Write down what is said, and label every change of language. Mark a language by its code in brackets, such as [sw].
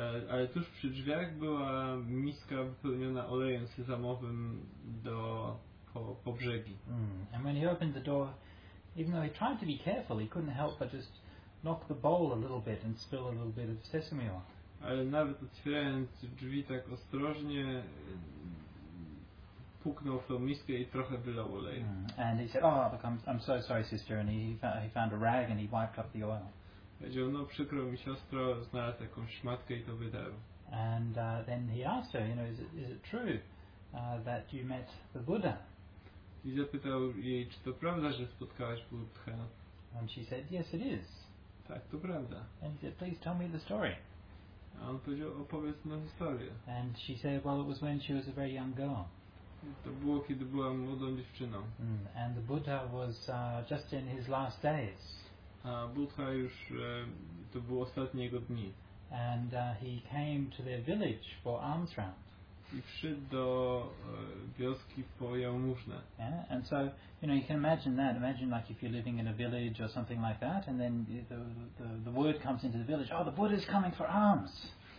[pl] Ale tuż przy drzwiach była miska wypełniona olejem sezamowym do po brzegi. [en] And when he opened the door, even though he tried to be careful, he couldn't help but just knock the bowl a little bit and spill a little bit of sesame oil. [pl] Ale nawet otwierając drzwi tak ostrożnie, puknął w tą miskę i trochę wylał oleju. [en] And he said, oh, look, I'm so sorry, sister. And he found a rag and he wiped up the oil. [pl] Powiedział, no przykro mi siostro, znalazł jakąś szmatkę i to wydarł. [en] And then he asked her, you know, is it true that you met the Buddha? [pl] I zapytał jej, czy to prawda, że spotkałaś Buddhę? [en] And she said, yes, it is. [pl] Tak, to prawda. [en] And he said, please tell me the story. [pl] A on powiedział, opowiedz mi historię. [en] And she said, well, it was when she was a very young girl. [pl] To było, kiedy była młodą dziewczyną. [en] And the Buddha was just in his last days. [pl] A Buddha już to było ostatnie jego dni. [en] And he came to their village for alms round. [pl] I przyszedł do wioski po jałmużnę. [en] Yeah? And so, you know, you can imagine that. Imagine like if you're living in a village or something like that, and then the word comes into the village, oh, the Buddha is coming for alms.